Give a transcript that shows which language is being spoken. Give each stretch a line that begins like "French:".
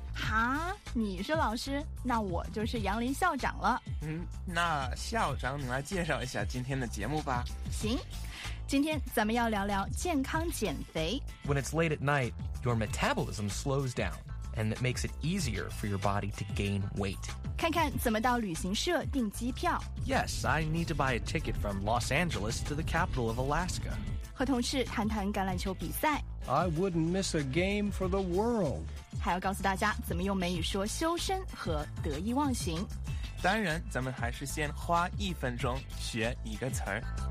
Chinese: 哈，你是老师，那我就是杨林校长了。那校长你来介绍一下今天的节目吧。行，今天咱们要聊聊健康减肥。
English: When it's late at night, your metabolism slows down, and it makes it easier for your body to gain weight.
Chinese: 看看怎么到旅行社订机票。
English: Yes, I need to buy a ticket from Los Angeles to the capital of Alaska.
Chinese: 和同事谈谈橄榄球比赛。
English: I wouldn't miss a game for the world.
Chinese: 还要告诉大家怎么用美语说修身和得意忘形。当然，咱们还是先花一分钟学一个词儿。